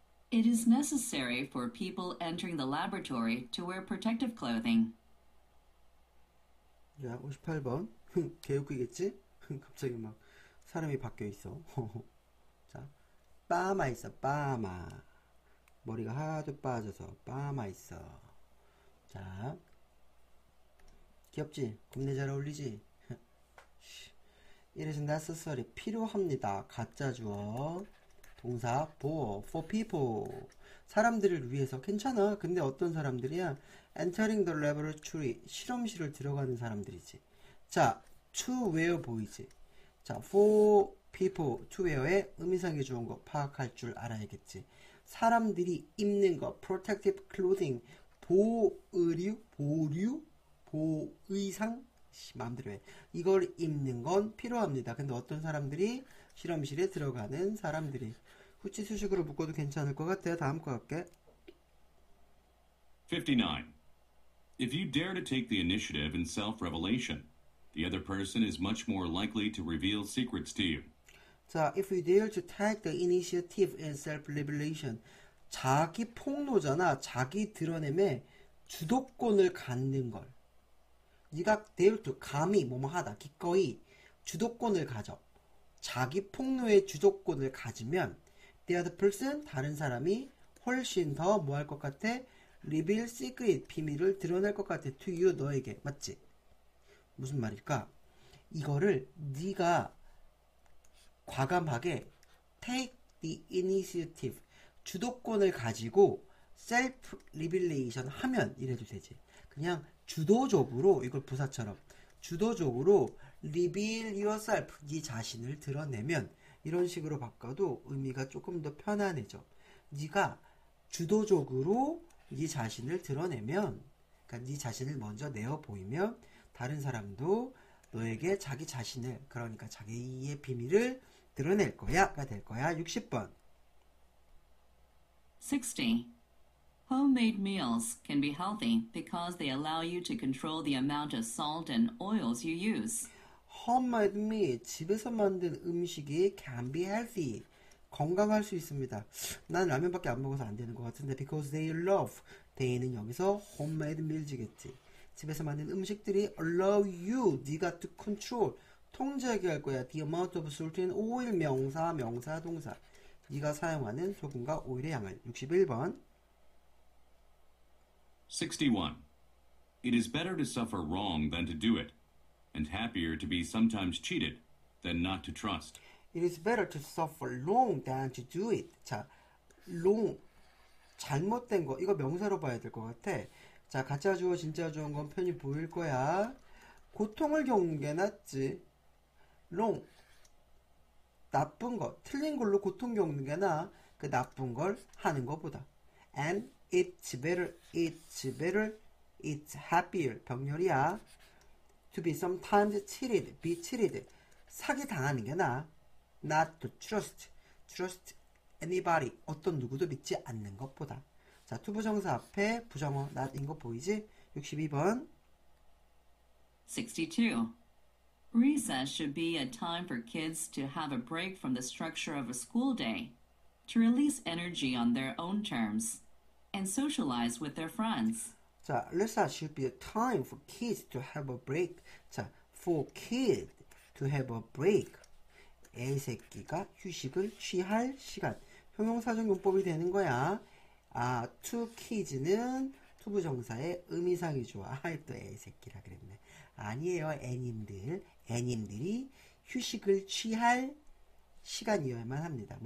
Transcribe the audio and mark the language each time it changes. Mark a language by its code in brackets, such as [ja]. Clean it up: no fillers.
[en] It is necessary for people entering the laboratory to wear protective clothing. [ko] 야, 58번. 개웃기겠지? 갑자기 막 사람이 바뀌어 있어. 자, 파마 있어, 파마. 머리가 하도 빠져서 파마 있어. 자, 귀엽지? 겁내 잘 어울리지? [en] It is necessary. [ko] 필요합니다. 가짜 주어. 동사 [en] for people. [ko] 사람들을 위해서. 괜찮아. 근데 어떤 사람들이야? [en] Entering the laboratory. [ko] 실험실을 들어가는 사람들이지. 자, [en] to where [ko] 보이지? 자, [en] for people. to where [ko] 에 의미상의 주어인 거 파악할 줄 알아야겠지. 사람들이 입는 거. [en] protective clothing. [ko] 보의류? 보류? 보의상? 마음대로 해. 이걸 입는 건 필요합니다. 근데 어떤 사람들이? 실험실에 들어가는 사람들이. 후치수식으로 묶어도 괜찮을 것 같아. 다음 거 할게. 59. [en] If you dare to take the initiative in self-revelation, the other person is much more likely to reveal secrets to you. 자, if you dare to take the initiative in self-revelation, [ko] 자기 폭로잖아. 자기 드러냄에 주도권을 갖는 걸. 네가 [en] dare to, [ko] 감히 뭐뭐하다, 기꺼이 주도권을 가져. 자기 폭로의 주도권을 가지면 [en] the other person, [ko] 다른 사람이 훨씬 더 뭐할 것 같아? [en] Reveal secret, [ko] 비밀을 드러낼 것 같아. [en] To you, [ko] 너에게. 맞지? 무슨 말일까? 이거를 네가 과감하게 [en] take the initiative, [ko] 주도권을 가지고 [en] self-revelation [ko] 하면 이래도 되지. 그냥 주도적으로, 이걸 부사처럼 주도적으로 [en] reveal yourself, [ko] 네 자신을 드러내면, 이런 식으로 바꿔도 의미가 조금 더 편안해져. 네가 주도적으로 네 자신을 드러내면, 그러니까 네 자신을 먼저 내어 보이면 다른 사람도 너에게 자기 자신을, 그러니까 자기의 비밀을 드러낼 거야가 될 거야. 60번. 60. [en] Homemade meals can be healthy because they allow you to control the amount of salt and oils you use. Homemade meat, [ko] 집에서 만든 음식이 [en] can be healthy, [ko] 건강할 수 있습니다. 난 라면밖에 안 먹어서 안 되는 것 같은데 [en] because they love, [ko] they는 여기서 [en] homemade meals [ko] 이겠지. 집에서 만든 음식들이 [en] allow you, [ko] 네가 [en] to control, [ko] 통제하게 할 거야. [en] The amount of salt and oil, [ko] 명사, 명사, 동사. 네가 사용하는 소금과 오일의 양을. 61번. 61. [en] It is better to suffer wrong than to do it. And happier to be sometimes cheated than not to trust. It is better to suffer wrong than to do it. [ko] 자, wrong, 잘못된 거. 이거 명사로 봐야 될 것 같아. 자, 가짜 주어, 진짜 주어인 건 편히 보일 거야. 고통을 겪는 게 낫지. wrong, 나쁜 거. 틀린 걸로 고통 겪는 게 나아. 그 나쁜 걸 하는 것보다. [en] And it's better, it's happier. [ko] 병렬이야. [en] To be sometimes cheated, be cheated, [ko] 사기 당하는 게 나아. [en] Not to trust, trust anybody, [ko] 어떤 누구도 믿지 않는 것보다. 자, 투부정사 앞에 부정어 not인 거 보이지? 62번. 62. [en] Recess should be a time for kids to have a break from the structure of a school day, to release energy on their own terms, and socialize with their friends. 자, recess should be a time for kids to have a break. 자, for kids to have a break. [ko] 애새끼가 휴식을 취할 시간. 형용사전 용법이 되는 거야. 아, [en] to kids [ko] 는 to 부정사의 의미상이 좋아. 아이, 또 애새끼라 그랬네. 아니에요, 애님들. 애님들이 휴식을 취할 시간이어야만 합니다.